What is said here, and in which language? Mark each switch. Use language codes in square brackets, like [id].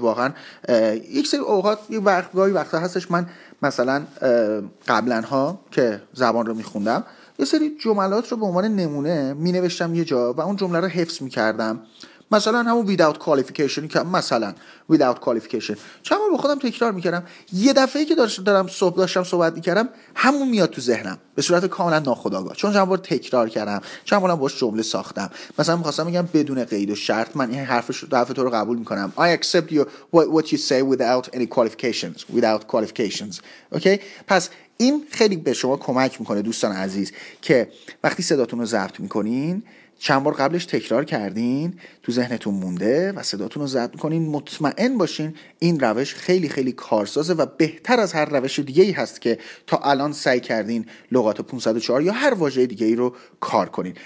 [fa] واقعا یک سری اوقات، یک وقت، گاهی وقتا هستش من مثلا قبلنها که زبان رو میخوندم یه سری جملات رو به عنوان نمونه مینوشتم یه جا و اون جمله رو حفظ میکردم، مثلا همون without qualification که مثلا without qualification چند بار با خودم تکرار میکردم، یه دفعه‌ای که داشتم صحبت میکردم همون میاد تو ذهنم به صورت کاملا ناخودآگاه، چون چند بار تکرار کردم، چند بارم باش جمله ساختم. مثلا میخواستم بگم بدون قید و شرط من این حرف تو رو قبول میکنم. [en] I accept you what you say without any qualifications. Without qualifications. Okay? [fa] پس این خیلی به شما کمک میکنه دوستان عزیز که وقتی صداتون رو ضبط میکنین چند بار قبلش تکرار کردین، تو ذهنتون مونده و صداتون رو ضبط میکنین، مطمئن باشین این روش خیلی خیلی کارسازه و بهتر از هر روش دیگه‌ای هست که تا الان سعی کردین لغات 504 یا هر واژه دیگه‌ای رو کار کنین.